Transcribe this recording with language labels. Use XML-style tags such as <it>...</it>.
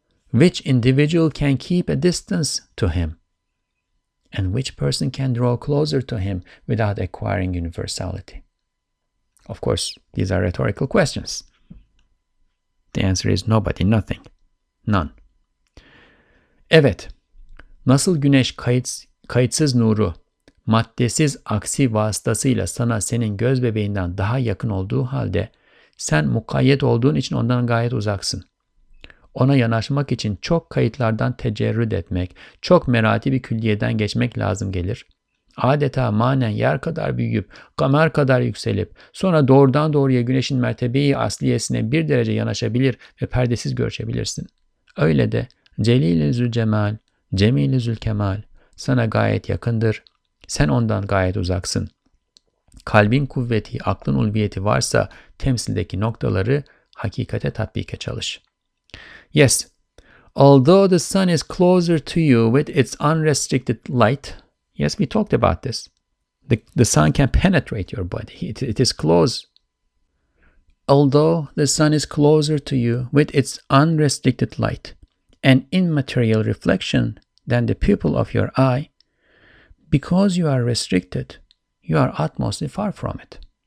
<en>Which individual can keep a distance to him? And which person can draw closer to him without acquiring universality? Of course, these are rhetorical questions. The answer is nobody, nothing, none.</en> <tr>Evet, nasıl güneş kayıtsız nuru, maddesiz aksi vasıtasıyla sana senin göz bebeğinden daha yakın olduğu halde, sen mukayyet olduğun için ondan gayet uzaksın. Ona yanaşmak için çok kayıtlardan tecerrüt etmek, çok meratibi külliyeden geçmek lazım gelir. Adeta manen yer kadar büyüyüp, kamer kadar yükselip, sonra doğrudan doğruya güneşin mertebeyi asliyesine bir derece yanaşabilir ve perdesiz görüşebilirsin. Öyle de Celil-i Zülcemal, Cemil-i Zülkemal sana gayet yakındır, sen ondan gayet uzaksın. Kalbin kuvveti, aklın ulviyeti varsa temsildeki noktaları hakikate tatbike çalış.</tr> <en>Yes, although the sun is closer to you with its unrestricted light, yes, we talked about this, the sun can penetrate your body, it is close. Although the sun is closer to you with its unrestricted light, an immaterial reflection than the pupil of your eye, because you are restricted, you are utmostly far from it.</en>